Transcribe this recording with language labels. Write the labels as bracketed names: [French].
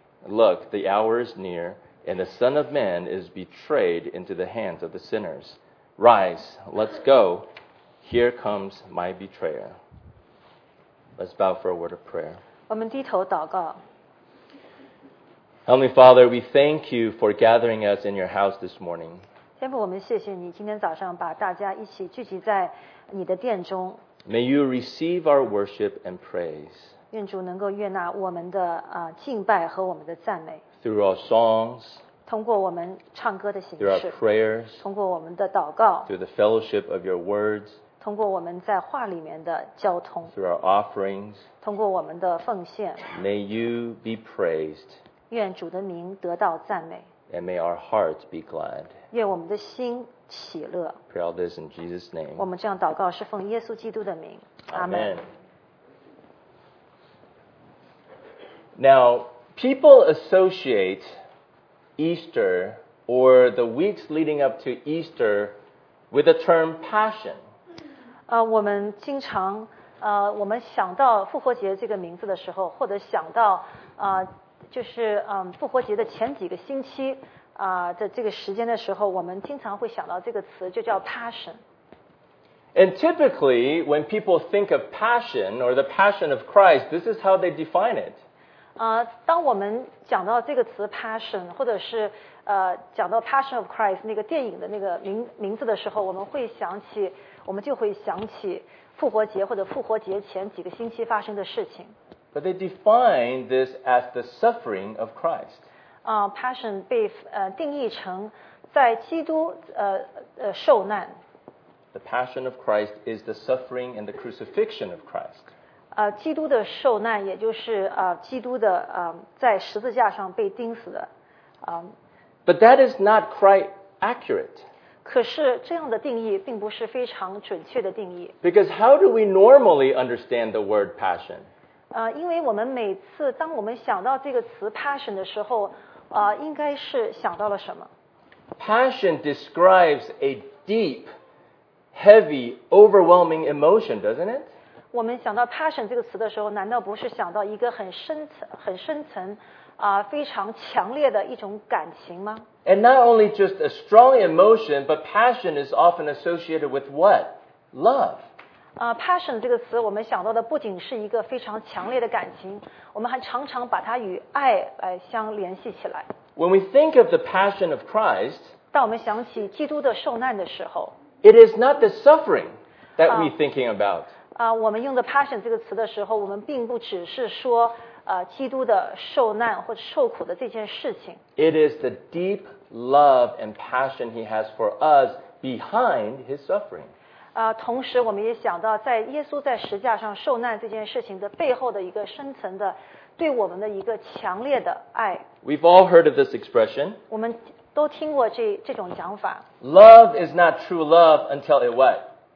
[English] Look, the hour is near, and the Son of Man is betrayed into the hands of the sinners. Rise, let's go. Here comes my betrayer. Let's bow for a word of prayer. [Chinese] 我们低头祷告。 [English] Heavenly Father, we thank you for gathering us in your house this morning. [Chinese] 天父，我们谢谢你今天早上把大家一起聚集在你的殿中。 [English] May you receive our worship and praise. [Chinese] 愿主能够悦纳我们的敬拜和我们的赞美。 [English] Through our songs. [Chinese] 通过我们唱歌的形式。 [English] Through our prayers. [Chinese] 通过我们的祷告。 [English] Through the fellowship of your words. [Chinese] 通过我们在话里面的交通。 [English] Through our offerings. [Chinese] 通过我们的奉献。 [English] May you be praised. [Chinese] 愿主的名得到赞美。 [English] And may our hearts be glad. [Chinese] 愿我们的心喜乐。 [English] Pray all this in Jesus' name. [Chinese] 我们这样祷告是奉耶稣基督的名。 [English] Amen. Now, people associate Easter or the weeks leading up to Easter with the term passion. [Chinese] 我们经常我们想到复活节这个名字的时候，或者想到就是复活节的前几个星期的这个时间的时候，我们经常会想到这个词，就叫 passion. [English] And typically, when people think of passion or the passion of Christ, this is how they define it. [Chinese] 当我们讲到这个词 passion, 或者是讲到 passion of Christ 那个电影的那个名字的时候，我们就会想起复活节或者复活节前几个星期发生的事情。 [English] But they define this as the suffering of Christ. [Chinese] Passion 被定义成在基督受难。 [English] The passion of Christ is the suffering and the crucifixion of Christ. [Chinese] 基督的受难也就是基督的在十字架上被钉死的。 [English] But that is not quite accurate. [Chinese] 可是这样的定义并不是非常准确的定义。 [English] Because how do we normally understand the word passion? [Chinese] 因为我们每次当我们想到这个词 passion 的时候，应该是想到了什么？ [English] Passion describes a deep, heavy, overwhelming emotion, doesn't it? [Chinese] 我们想到 passion 这个词的时候，难道不是想到一个很深层非常强烈的一种感情吗？ [English] And not only just a strong emotion, but passion is often associated with what? Love. [Chinese] Passion 这个词我们想到的不仅是一个非常强烈的感情，我们还常常把它与爱来相联系起来。 [English] When we think of the passion of Christ, [Chinese] 当我们想起基督的受难的时候， [English] it is not the suffering that we thinking about. [Chinese] 我们用的 passion 这个词的时候，我们并不只是说基督的受难或者受苦的这件事情。 [English] It is the deep love and passion he has for us behind his suffering. [Chinese] 同时我们也想到在耶稣在十字架上受难这件事情的背后的一个深层的对我们的一个强烈的爱。 [English] We've all heard of this expression. [Chinese] 我们都听过这种讲法。 [English] Love is not true love until it what?